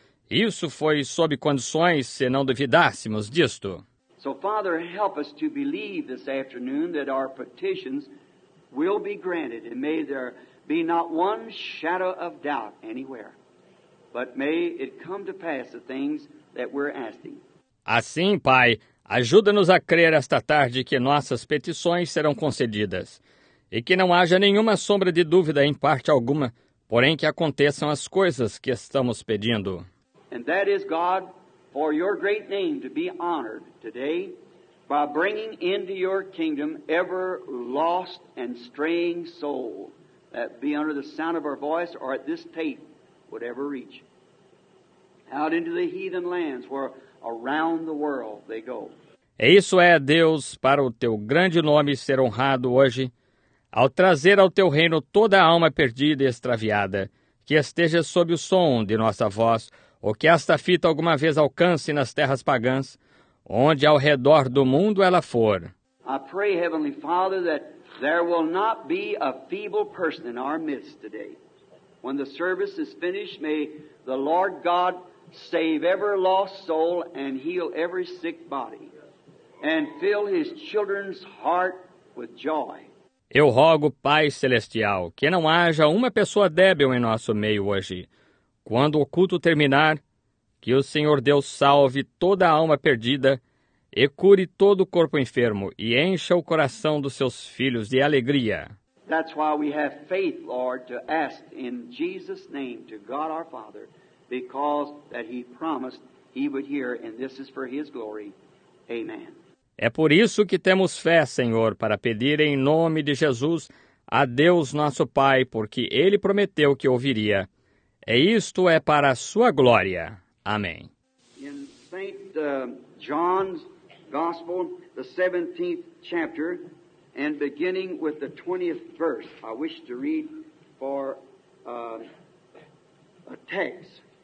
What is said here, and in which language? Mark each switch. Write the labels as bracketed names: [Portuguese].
[Portuguese] Isso foi sob condições, se não duvidássemos disto. [English] So, Father, help us to believe this afternoon that our petitions will be granted. And may there be not one shadow of doubt anywhere. But may it come to pass the things that we're asking. [Portuguese] Assim, Pai, ajuda-nos a crer esta tarde que nossas petições serão concedidas e que não haja nenhuma sombra de dúvida em parte alguma, porém que aconteçam as coisas que estamos pedindo. [English] And that is God for your great name to be honored today by bringing into your kingdom ever lost and straying soul that be under the sound of our voice or at this tape would ever reach. Out into the heathen lands where around the world they go. [Portuguese] E isso é, Deus, para o teu grande nome ser honrado hoje, ao trazer ao teu reino toda a alma perdida e extraviada, que esteja sob o som de nossa voz, ou que esta fita alguma vez alcance nas terras pagãs, onde ao redor do mundo ela for. [English] I pray, Heavenly Father, that there will not be a feeble person in our midst today. When the service is finished, may the Lord God save every lost soul and heal every sick body and fill his children's heart with joy. [Portuguese] Eu rogo, Pai Celestial, que não haja uma pessoa débil em nosso meio hoje. Quando o culto terminar, que o Senhor Deus salve toda a alma perdida e cure todo o corpo enfermo e encha o coração dos seus filhos de alegria. [English] That's why we have faith, Lord, to ask in Jesus' name to God our Father because that he promised he would hear, and this is for his glory. Amen. [Portuguese] É por isso que temos fé, Senhor, para pedir em nome de Jesus a Deus nosso Pai, porque Ele prometeu que ouviria. E isto é para a sua glória. Amém. [English] In St. John's Gospel, the 17th chapter, and beginning with the 20th verse, I wish to read for a text.